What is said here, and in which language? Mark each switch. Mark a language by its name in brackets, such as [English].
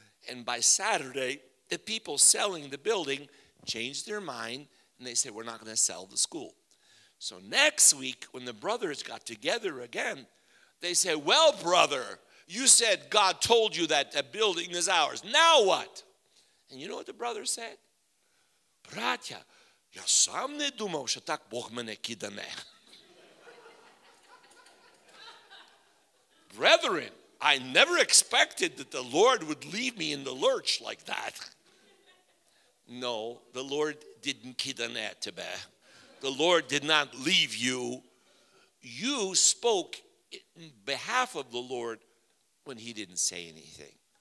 [English] And by Saturday, the people selling the building changed their mind. And they said, we're not going to sell the school. So next week, when the brothers got together again, they said, well, brother, you said God told you that the building is ours. Now what? And you know what the brother said? [Russian] Bratya. [Ukrainian] Я сам не думав, що так Бог мене кидане. [English] Brethren, I never expected that the Lord would leave me in the lurch like that. No, the Lord didn't [Ukrainian] kidane тебе. [English] The Lord did not leave you. You spoke in behalf of the Lord when he didn't say anything.